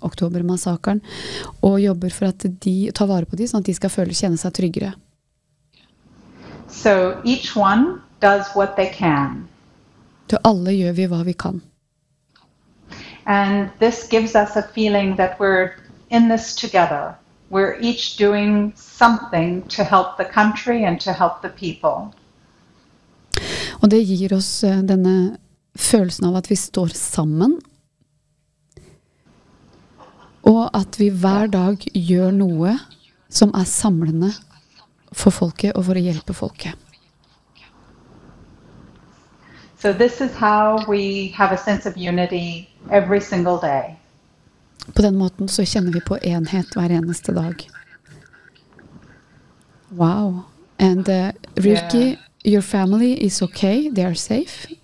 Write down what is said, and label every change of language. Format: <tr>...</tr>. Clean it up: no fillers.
<no>oktober-massakeren, og jobber for at de tar vare på dem, sånn at de skal føle, kjenne seg tryggere.</no> <en>So each one does what they can.</en> <no>Så alle gjør vi hva vi kan.</no> <en>And this gives us a feeling that we're in this together. We're each doing something to help the country and to help the people.</en> <no>Og det gir oss denne følelsen av at vi står sammen. Og at vi hver dag gjør noe som samlende for folket og for å hjelpe folket.</no> <en>So this is how we have a sense of unity every single day.</en> <no>På den måten så kjenner vi på enhet hver eneste dag.</no> <en>Wow. And Rilke... Yeah. Your family is okay. They are safe.</en>